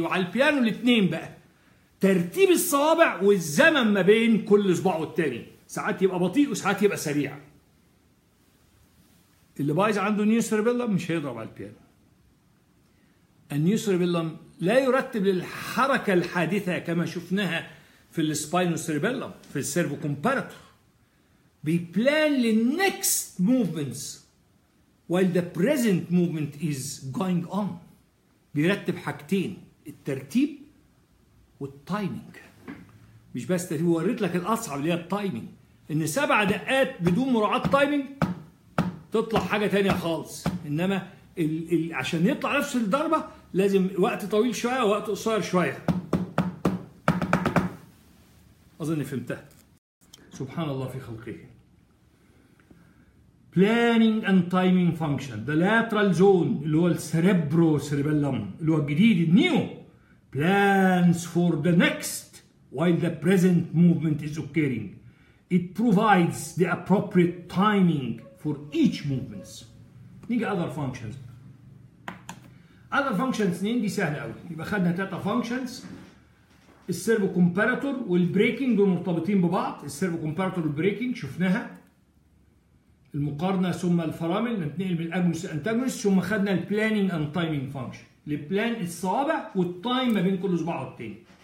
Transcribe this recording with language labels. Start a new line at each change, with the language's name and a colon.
Arabic: وعلى البيانو الاثنين بقى ترتيب الصوابع والزمن ما بين كل صباع والتاني ساعات يبقى بطيء وساعات يبقى سريع. اللي بايظ عنده نيو سيربيلم مش هيضرب على البيانو. النيو سيربيلم لا يرتب للحركة الحادثة كما شفناها في السباينو سيريبيلم في السيرفو كومباراتور.
English: بيبلان للنكست movements while the present movement is going on.
Arabic: بيرتب حاجتين، الترتيب والتايمينج. مش بس ترتيب، وريت لك الأصعب اللي هي التايمينج، إن 7 دقائق بدون مراعاة تايمينج تطلع حاجة تانية خالص. إنما عشان يطلع نفس الضربة لازم وقت طويل شوية ووقت قصير شوية. أظن فهمتها. سبحان الله في خلقه.
English: Planning and timing function. The lateral zone
Arabic: اللي هو السريبرو سريبلم اللي هو الجديد النيو
English: plans for the next while the present movement is occurring. It provides the appropriate timing for each movement. نيجي other functions. Other functions
Arabic: نين دي سهلة قوي. يبقى خدنا 3 functions. السيرفو كومباراتور والبريكنج مرتبطين ببعض. السيرفو كومباراتور والبريكنج شفناها. المقارنة ثم الفرامل نتنقل من الأجنس الأنتاجنس. ثم خدنا البلانينج أند تايمينج فانكشن. البلان الصوابع والتايم ما بين كل صباع والتاني.